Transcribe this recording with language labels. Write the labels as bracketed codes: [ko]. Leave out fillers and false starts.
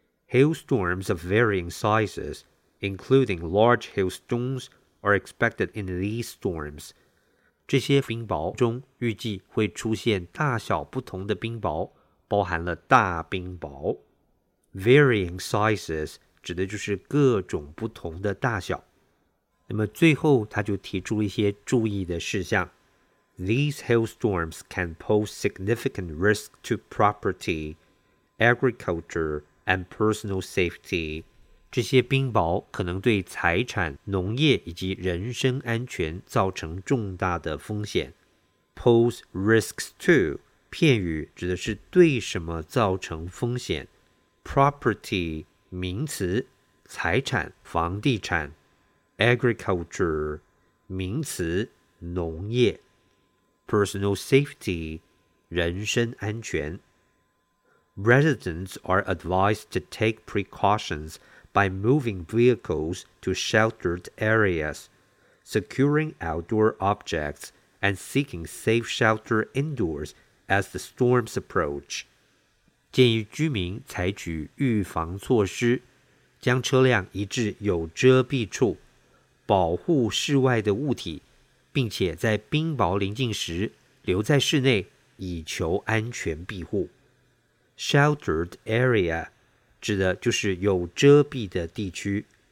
[en] Hailstorms of varying sizes including large hailstones are expected in these storms [zh] 这些冰雹中预计会出现大小不同的冰雹包含了大冰雹 [en] Varying sizes [zh] 指的就是各种不同的大小。那么最后他就提出一些注意的事项。 [en] These hailstorms can pose significant risk to property, agriculture, and personal safety. [zh] 这些冰雹可能对财产、农业以及人身安全造成重大的风险。 [en] Pose risks to, [zh] 片语指的是对什么造成风险。 Property, 名词，财产，房地产。 Agriculture, 名词，农业。 Personal safety, 人身安全。 [en] Residents are advised to take precautions by moving vehicles to sheltered areas. securing outdoor objects and seeking safe shelter indoors as the storms approach. [zh] 建议居民采取预防措施，将车辆移至有遮蔽处，保护室外的物体，并且在冰雹临近时留在室内，以求安全庇护。 Sheltered area 指的就是有遮蔽的地区。